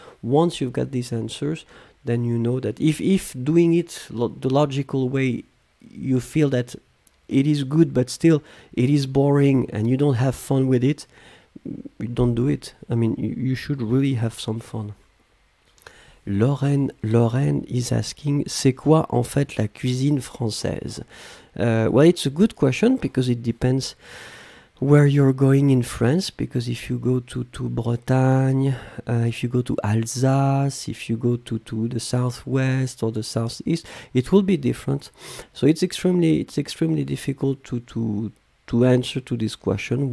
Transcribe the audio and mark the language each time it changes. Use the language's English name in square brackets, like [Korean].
[English] Once you've got these answers, then you know that if doing it lo the logical way, you feel that it is good, but still it is boring and you don't have fun with it, you don't do it. I mean, you should really have some fun. Lorraine is asking, [French] c'est quoi en fait la cuisine française? [English] Well, it's a good question because it depends where you're going in France. Because if you go to Bretagne, if you go to Alsace, if you go to the southwest or the southeast, it will be different. So it's extremely difficult to answer to this question.